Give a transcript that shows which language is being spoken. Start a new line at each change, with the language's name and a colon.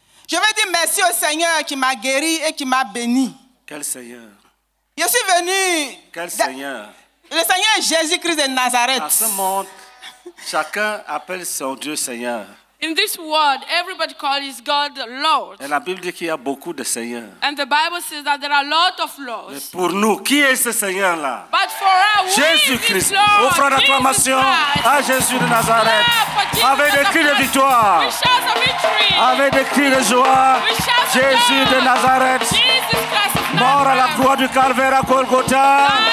French: Je veux dire merci au Seigneur qui m'a guéri et qui m'a béni. Quel Seigneur? Je suis venu. Quel Seigneur? Le Seigneur Jésus-Christ de Nazareth. Dans ce monde, chacun appelle son Dieu Seigneur.
English: In this world, everybody calls God Lord.
French: Et la Bible dit qu'il y a beaucoup de seigneurs.
English: And the Bible says that there are a lot of lords.
French: Mais pour nous, qui est ce seigneur là?
English: But for us,
French: Jésus-Christ, offrons l'acclamation à Jésus de Nazareth. Yeah, avec des cris de victoire.
English: We shout the victory.
French: Avec des cris de joie.
English: We shout
French: Jésus
English: God.
French: De Nazareth.
English: Jesus Christ.
French: Mort à la croix du calvaire à Golgotha.